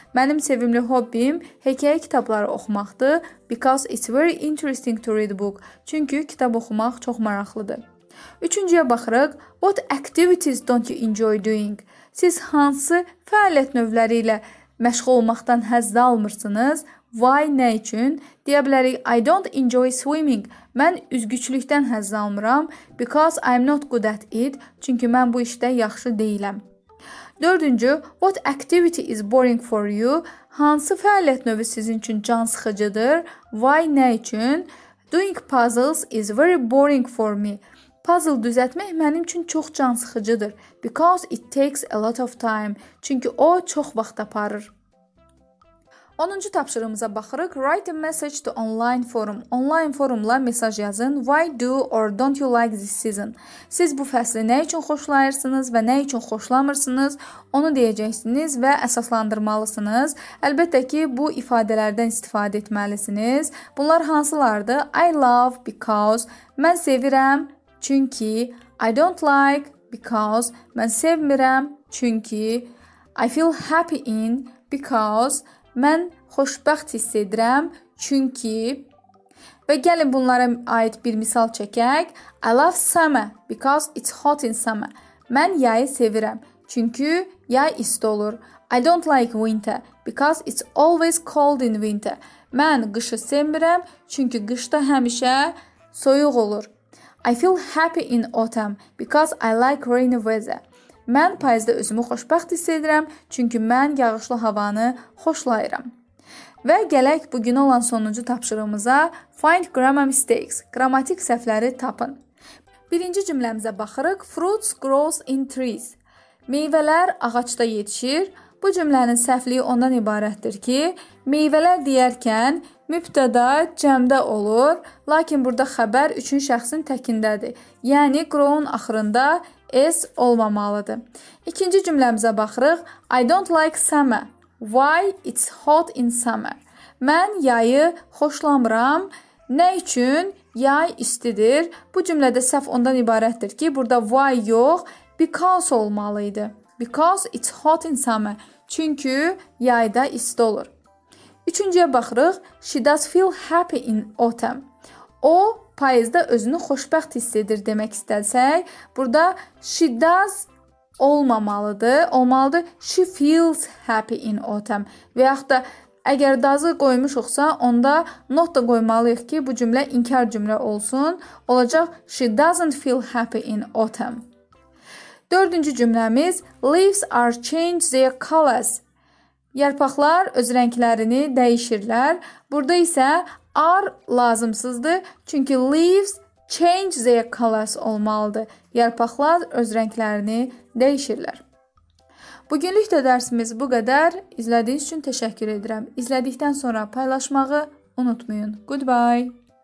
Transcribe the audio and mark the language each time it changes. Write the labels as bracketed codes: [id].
[az] Mənim sevimli hobbim hekayə kitabları oxumaqdır. [en] Because it's very interesting to read a book. [az] Çünki kitab oxumaq çox maraqlıdır. Üçüncüyə baxırıq. [en] What activities don't you enjoy doing? [az] Siz hansı fəaliyyət növləri ilə məşğul olmaqdan həzz almırsınız? Why, nə üçün? Deyə bilərik, [en] I don't enjoy swimming. [az] Mən üzgüçlükdən həzz almıram. [en] Because I'm not good at it. [az] Çünki mən bu işdə yaxşı deyiləm. Dördüncü, [en] what activity is boring for you? [az] Hansı fəaliyyət növü sizin üçün can sıxıcıdır? [en] Why, [az] nə üçün? [en] Doing puzzles is very boring for me. [az] Puzzle düzətmək mənim üçün çox can sıxıcıdır. [en] Because it takes a lot of time. [az] Çünki o çox vaxt aparır. 10-cu tapşırığımıza baxırıq. [en] Write a message to online forum. [az] Online forumla mesaj yazın. [en] Why do or don't you like this season? [az] Siz bu fəsli nə üçün xoşlayırsınız və nə üçün xoşlamırsınız? Onu deyəcəksiniz və əsaslandırmalısınız. Əlbəttə ki, bu ifadələrdən istifadə etməlisiniz. Bunlar hansılardır? [en] I love because. [az] Mən sevirəm çünki. [en] I don't like because. [az] Mən sevmirəm çünki. [en] I feel happy in because. [az] Mən xoşbəxt hiss edirəm, çünki... Və gəlin bunlara aid bir misal çəkək. [en] I love summer because it's hot in summer. [az] Mən yayı sevirəm, çünki yay isti olur. [en] I don't like winter because it's always cold in winter. [az] Mən qışı sevmirəm, çünki qışda həmişə soyuq olur. [en] I feel happy in autumn because I like rainy weather. [az] Mən payızda özümü xoşbəxt hiss edirəm, çünki mən yağışlı havanı xoşlayıram. Və gələk bugün olan sonuncu tapşırığımıza [en] Find grammar mistakes, [az] qrammatik səhvləri tapın. Birinci cümləmizə baxırıq. [en] Fruits grows in trees. [az] Meyvələr ağaçda yetişir. Bu cümlənin səhvliyi ondan ibarətdir ki, meyvələr deyərkən mübtəda cəmdə olur, lakin burada xəbər üçün şəxsin təkindədir. Yəni, grown axırında S olmamalıdır. İkinci cümləmizə baxırıq. [en] I don't like summer. Why it's hot in summer? [az] Mən yayı xoşlamıram. Nə üçün yay istidir? Bu cümlədə səhv ondan ibarətdir ki, burada why yox, because olmalıydı. [en] Because it's hot in summer. [az] Çünki yayda isti olur. Üçüncüyə baxırıq. [en] She does feel happy in autumn. [az] O, payızda özünü xoşbəxt hiss edir demək istəsək, burada she does olmamalıdır. Olmalıdır, [en] she feels happy in autumn. [az] Və yaxud da, əgər does-ı qoymuşuqsa, onda not da qoymalıyıq ki, bu cümlə inkar cümlə olsun. Olacaq, [en] she doesn't feel happy in autumn. [az] Dördüncü cümləmiz, [en] leaves are change their colors. [az] Yarpaqlar öz rənglərini dəyişirlər. Burada isə, are lazımsızdır, çünki [en] leaves change their colors [az] olmalıdır. Yarpaqlar öz rənglərini dəyişirlər. Bugünlük də dərsimiz bu qədər. İzlədiyiniz üçün təşəkkür edirəm. İzlədikdən sonra paylaşmağı unutmayın. [en] Goodbye!